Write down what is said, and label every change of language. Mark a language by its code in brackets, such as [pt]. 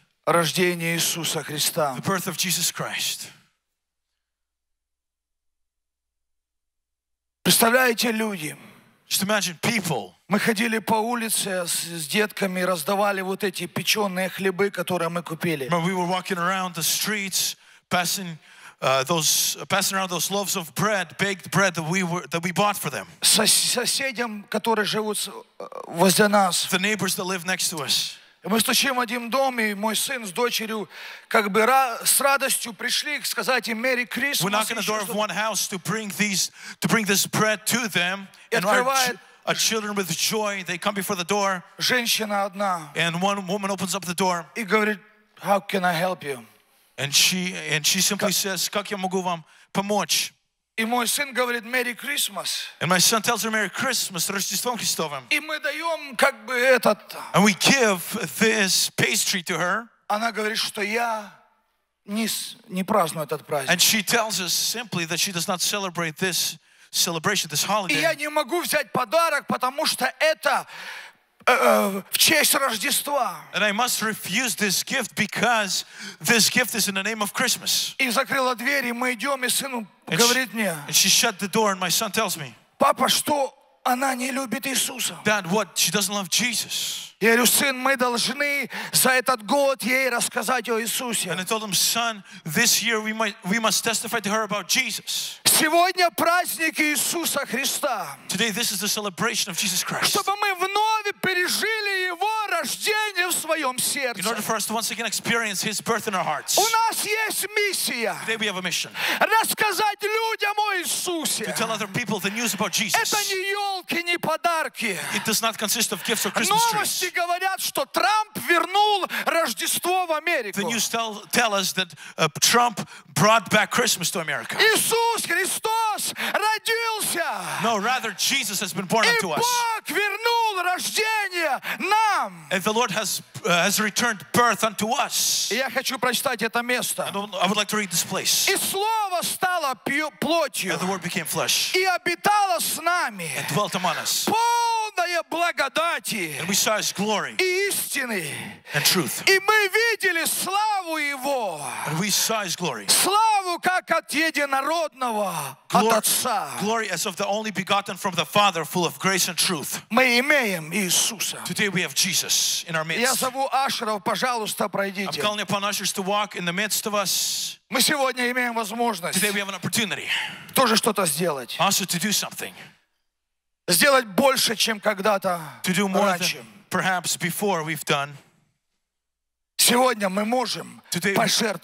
[ru] рождение Иисуса Христа, [en] the birth of Jesus Christ. [ru] Представляете, люди, [en] just imagine people. [ru] Мы ходили по улице с детками и раздавали вот эти печеные хлебы, которые мы купили. [en] Remember, we were walking around the streets, passing around those loaves of bread, baked bread that we bought for them. [ru] Соседям, которые живут возле нас. [en] The neighbors that live next to us. [ru] Мы стучим в один дом, и мой сын с дочерью как бы с радостью пришли сказать им [en] Merry Christmas. We're knocking on the door of one house to bring this bread to them. And our children with joy, they come before the door. [ru] Женщина одна. [en] And one woman opens up the door. [ru] И говорит, [en] how can I help you? And she simply says, [ru] "Как я могу вам помочь?" И мой сын говорит, [en] "Merry Christmas." And my son tells her, "Merry Christmas, [ru] Рождеством Христовым." И мы даем как бы этот. [en] And we give this pastry to her. [ru] Она говорит, что я не праздную этот праздник. [en] And she tells us simply that she does not celebrate this celebration, this holiday. [ru] И я не могу взять подарок, потому что это в честь Рождества. [en] And I must refuse this gift because this gift is in the name of Christmas. [ru] И закрыла дверь, и мы идем, и сын говорит мне. [en] And she shut the door, and my son tells me. [ru] Папа, что Она не любит Иисуса. [en] That what she doesn't love Jesus. [ru] Я говорю, сын, мы должны за этот год ей рассказать о Иисусе. [en] And I told him, son, this year we must testify to her about Jesus. [ru] Сегодня праздник Иисуса Христа. [en] Today this is the celebration of Jesus Christ. [ru] Чтобы мы вновь пережили его рождение в своем сердце. [en] In order for us to once again experience his birth in our hearts. [ru] У нас есть миссия. [en] Today we have a mission. [ru] Рассказать людям о Иисусе. [en] To tell other people the news about Jesus. [ru] Это не елки, не подарки. [en] It does not consist of gifts or Christmas trees. [ru] Новости говорят, что Трамп вернул Рождество в Америку. [en] The news tell us that Trump brought back Christmas to America. [ru] Иисус Христос родился. [en] No, rather Jesus has been born unto us. [ru] И Бог вернул рождение нам. [en] And the Lord has returned birth unto us. [ru] Я хочу прочитать это место. [en] I would like to read this place. [ru] И Слово стало плотью. [en] And the Word became flesh. [ru] И обитало с нами. [en] And dwelt among us. [ru] Благодати [en] and we saw his glory [ru] и истины [en] and truth. [ru] И мы видели славу его [en] and we saw his glory. [ru] Славу как от единородного от Отца [en] glory as of the only begotten from the Father full of grace and truth. [ru] Мы имеем Иисуса. [en] Today we have Jesus in our midst. [ru] Я зову Ашеров, пожалуйста, пройдите. [en] I'm calling upon ushers to walk in the midst of us. [ru] Мы сегодня имеем возможность [en] today we have an opportunity [ru] тоже что-то сделать [en] also to do something. [ru] Сделать больше, чем когда-то раньше. [en] To do more than perhaps before we've done. [ru] Сегодня мы можем пожертвовать.